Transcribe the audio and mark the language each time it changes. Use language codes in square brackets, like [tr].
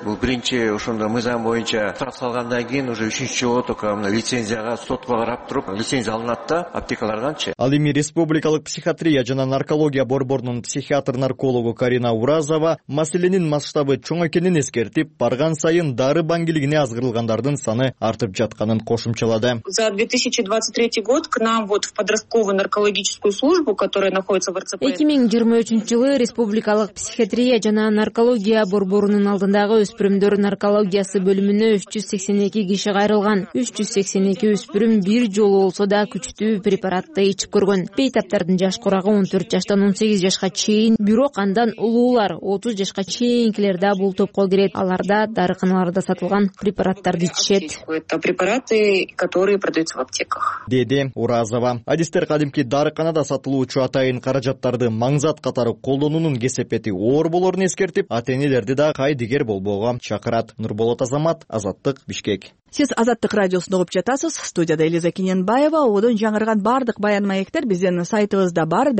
[ky] Бул биринчи ошондой мыйзам боюнча штраф салгандан кийин уже 3-чү жолу только мына лицензияга сотко карап туруп, лицензия алынат да аптекалардан. Ал эми республикалык психиатрия жана наркология борборунун психиатр-наркологу Карина Уразова маселенин масштабы чоң экенин эскертип, барган сайын дары баңгилигине азгырылгандардын саны артып жатканын кошумчалады. [ru] За 2023 год к нам вот в подростковую наркологическую службу, которая находится в РЦП. [ky] 2023 жылы республикалык психиатрия жана наркология борборунун алдындагы өспүрүмдөр наркологиясы бөлүмүнө 382 киши кайрылган. 382 өспүрүм бир жолу болсо да күчтүү препаратты ичип көргөн. Бейтаптардын жаш курагы 14 жаштан 18 жашка чейин, бирок андан улуулар 30 жашка чейинкилер да бул топко кирет. Аларда дарыканаларда сатылган препараттарды ичишет. [ru] Это препараты, которые продаются в аптеках. [ky] Деди Уразова. Адистер кадимки дарыканада сатылуучу атайын каражаттарды маңзат катары колдонуунун кесепети оор болорун эскертип, ата-энелерди да кайдыгер болбоого чакырат. Нурболот Азамат, Азаттык, Бишкек. Сиз Азаттык радиосун угуп жатасыз. Студияда Элиза Кененбаева. Оодон жаңырган бардык баян маектер биздин сайтыбызда бар.